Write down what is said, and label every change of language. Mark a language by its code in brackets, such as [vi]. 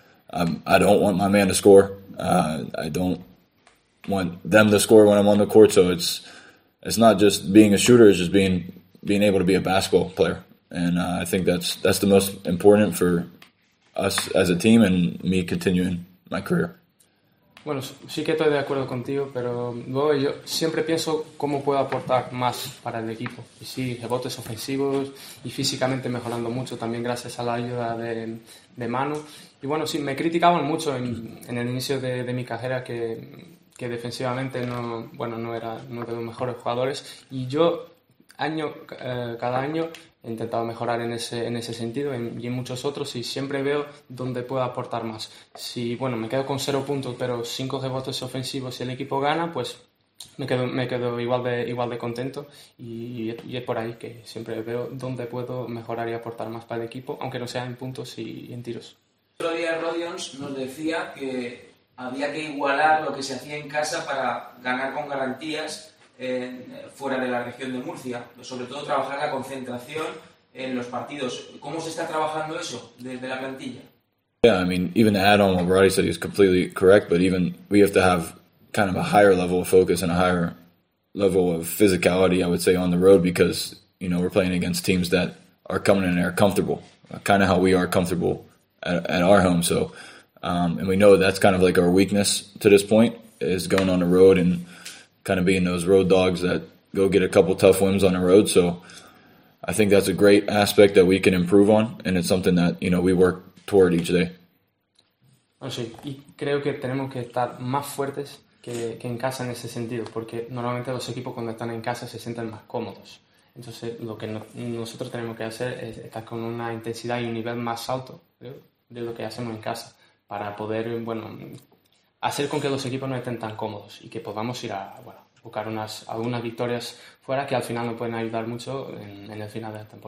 [en] I don't want my man to score. I don't want them to score when I'm on the court. So it's not just being a shooter. It's just being able to be a basketball player. And I think that's the most important for us as a team and me continuing my career. [es] Bueno, sí que estoy de acuerdo contigo, pero luego yo siempre pienso cómo puedo aportar más para el equipo. Y sí, rebotes ofensivos y físicamente mejorando mucho también gracias a la ayuda de Manu. Y bueno, sí, me criticaban mucho en el inicio de mi carrera que defensivamente no era uno de los mejores jugadores. Y yo... cada año he intentado mejorar en ese sentido y en muchos otros, y siempre veo dónde puedo aportar más. Si, bueno, me quedo con 0 puntos pero 5 rebotes ofensivos y el equipo gana, pues me quedo igual de contento, y es por ahí que siempre veo dónde puedo mejorar y aportar más para el equipo, aunque no sea en puntos y en tiros. El otro día Rodions nos decía que había que igualar lo que se hacía en casa para ganar con garantías fuera de la región de Murcia, sobre todo trabajar la concentración en los partidos. ¿Cómo se está trabajando eso desde la plantilla? [en] Yeah, I mean, even to add on what Roddy said, he's completely correct, but even we have to have kind of a higher level of focus and a higher level of physicality, I would say, on the road, because, you know, we're playing against teams that are coming in and are comfortable, kind of how we are comfortable at our home. So, and we know that's kind of like our weakness to this point, is going on the road and kind of being those road dogs that go get a couple tough wins on the road. So I think that's a great aspect that we can improve on, and it's something that, you know, we work toward each day. [es] Sí, y creo que tenemos que estar más fuertes que en casa en ese sentido, porque normalmente los equipos cuando están en casa se sienten más cómodos. Entonces lo que nosotros tenemos que hacer es estar con una intensidad y un nivel más alto, creo, de lo que hacemos en casa, para poder, bueno, hacer con que los equipos no estén tan cómodos y que podamos ir a, bueno, buscar algunas victorias fuera, que al final nos pueden ayudar mucho en el final de la temporada.